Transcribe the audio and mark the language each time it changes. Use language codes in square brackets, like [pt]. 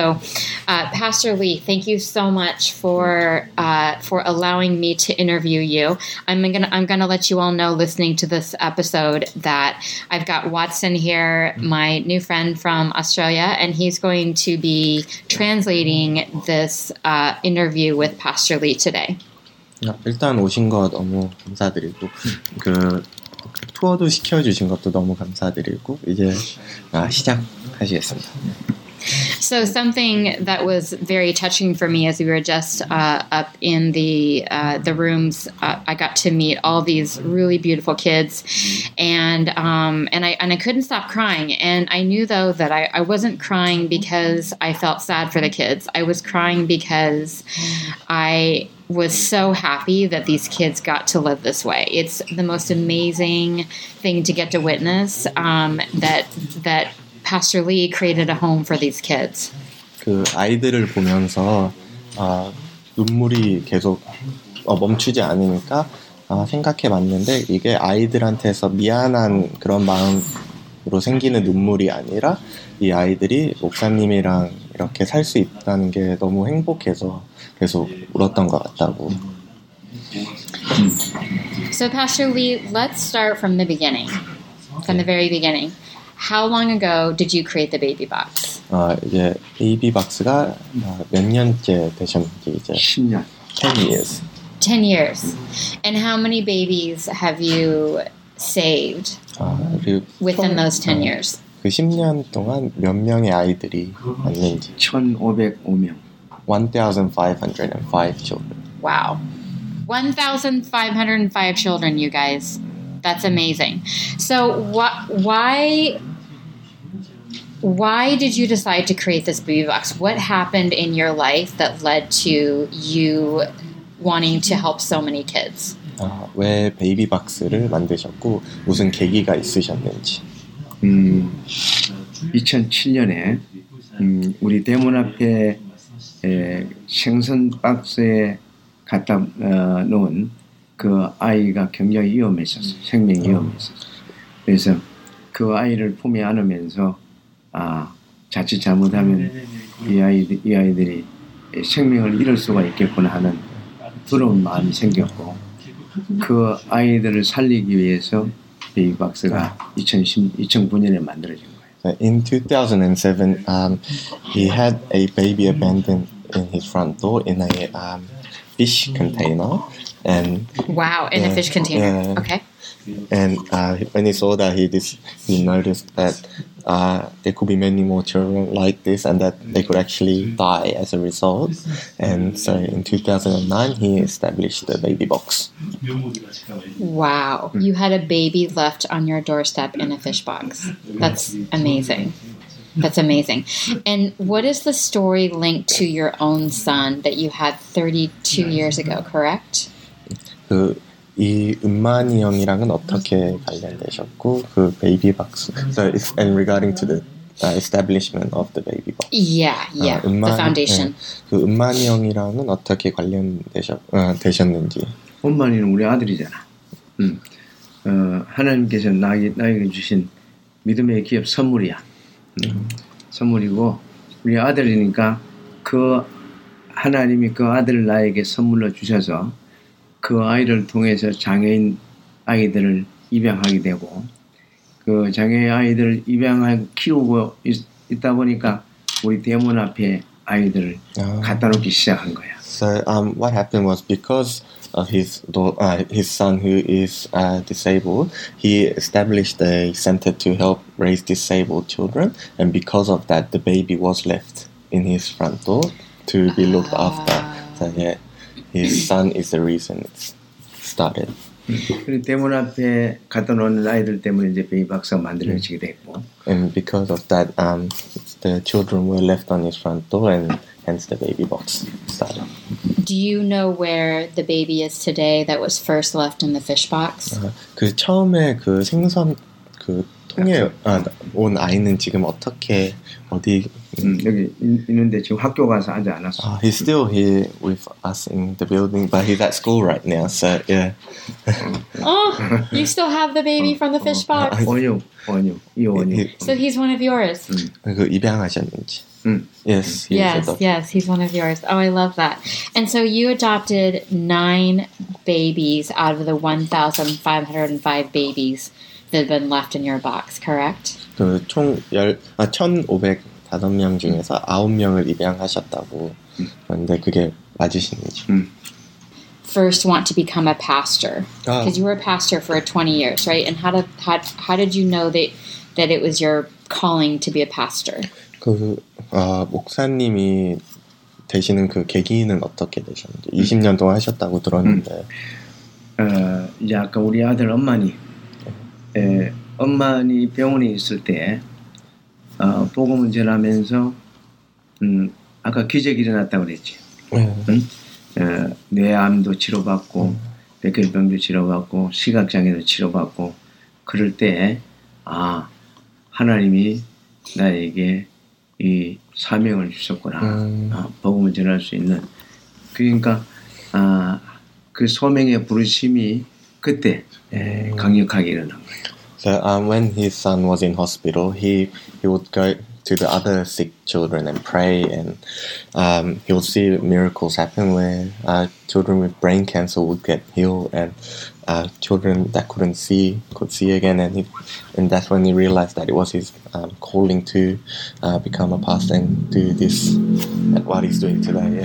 [en] So Pastor Lee, thank you so much for allowing me to interview you. I'm gonna let you all know, listening to this episode, that I've got Watson here, my new friend from Australia, and he's going to be translating this interview with Pastor Lee today. [ko] 일단 오신 거 너무 감사드리고 그 투어도 시켜주신 것도 너무 감사드리고 이제 시작하시겠습니다. [en] So something that was very touching for me as we were just up in the rooms, I got to meet all these really beautiful kids, and I couldn't stop crying. And I knew though that I wasn't crying because I felt sad for the kids. I was crying because I was so happy that these kids got to live this way. It's the most amazing thing to get to witness that Pastor Lee created a home for these kids. [ko] 그 아이들을 보면서 눈물이 계속 멈추지 않으니까 생각해 봤는데 이게 아이들한테서 미안한 그런 마음으로 생기는 눈물이 아니라 이 아이들이 목사님이랑 이렇게 살 수 있다는 게 너무 행복해서 계속 울었던 것 같다고. [en] So Pastor Lee, let's start from the beginning. From the very beginning. How long ago did you create the baby box? [ko] 이제 baby box가 몇 년째 되셨는지 이제 10년. [en] 10 years. 10 years. And how many babies have you saved within those 10 years? [ko] 그 10년 동안 몇 명의 아이들이 왔는지 1,505명. [en] 1,505 children. Wow. 1,505 children, you guys. That's amazing. So why did you decide to create this baby box? What happened in your life that led to you wanting to help so many kids? [ko] 왜 베이비 박스를 만드셨고 무슨 계기가 있으셨는지. 2007년에 우리 대문 앞에 생선 박스에 갖다 놓은 그 아이가 굉장히 위험했었어요. 생명이 위험했었어요. 그래서 그 아이를 품에 안으면서 자칫 잘못하면 이 아이들이 생명을 잃을 수가 있겠구나 하는 두려운 마음이 생겼고 그 아이들을 살리기 위해서 베이비박스가 2009년에 만들어진 거예요. [en] In 2007, he had a baby abandoned in his front door in a fish container. And wow, in a fish container. Yeah. Okay. And when he saw that, he noticed that there could be many more children like this and that they could actually die as a result. And so in 2009, he established the baby box. Wow. You had a baby left on your doorstep in a fish box. That's amazing. That's amazing. And what is the story linked to your own son that you had 32 years ago, correct? [ko] 그 이 은만이 형이랑은 어떻게 관련되셨고 그 베이비 박스 [en] so it's and regarding to the establishment of the baby box. Yeah, yeah. 은만, the foundation. [ko] 그 은만이 형이랑은 어떻게 되셨는지. 은만이는 우리 아들이잖아. 하나님께서 나에게 주신 믿음의 기업 선물이야. 선물이고 우리 아들이니까 그 하나님이 그 아들을 나에게 선물로 주셔서 그 아이를 통해서 장애인 아이들을 입양하게 되고 그 장애인 아이들을 입양하고 키우고 있다 보니까 우리 대문 앞에 아이들을 갖다 놓기 시작한 거야. [en] So what happened was because of his son who is disabled, he established a center to help raise disabled children, and because of that, the baby was left in his front door to be looked after. So yeah. His son is the reason it started. [ko] 그 대문 앞에 갖다 놓은 아이들 때문에 이제 베이박스가 만들어지게 됐고. [en] And because of that, the children were left on his front door, and hence the baby box started. Do you know where the baby is today that was first left in the fish box? [ko] 그 처음에 그 생선 그 통에 온 아이는 지금 어떻게 어디 여기 있는데 지금 학교 가서 앉아 안았어. [en] He's still here with us in the building, but he's at school right now. So yeah. Oh, you still have the baby from the fish box. [ko] 원유. [en] So he's one of yours. [ko] 그 입양하셨는지. [en] Yes. Yes. He's one of yours. Oh, I love that. And so you adopted 9 babies out of the 1,505 babies that have been left in your box, correct? [ko] 그 총 1,505명 중에서 9명을 입양하셨다고 그런데 그게 맞으신지. [en] First want to become a pastor. Because you were a pastor for 20 years, right? And how did you know that it was your calling to be a pastor? [ko] 그 아, 목사님이 되시는 그 계기는 어떻게 되셨는지 20년 동안 하셨다고 들었는데 이제 아까 우리 아들 엄마니 엄마니 병원에 있을 때 복음을 전하면서 아까 기적이 일어났다고 그랬지. 네. 뇌암도 치료받고 백혈병도 치료받고 시각장애도 치료받고 그럴 때 아 하나님이 나에게 이 사명을 주셨구나. 복음을 전할 수 있는 그러니까 그 소명의 부르심이 그때 강력하게 일어난 거예요. [en] So when his son was in hospital, he would go to the other sick children and pray, and he would see miracles happen where children with brain cancer would get healed, and children that couldn't see could see again, and that's when he realized that it was his calling to become a pastor and do this, what he's doing today.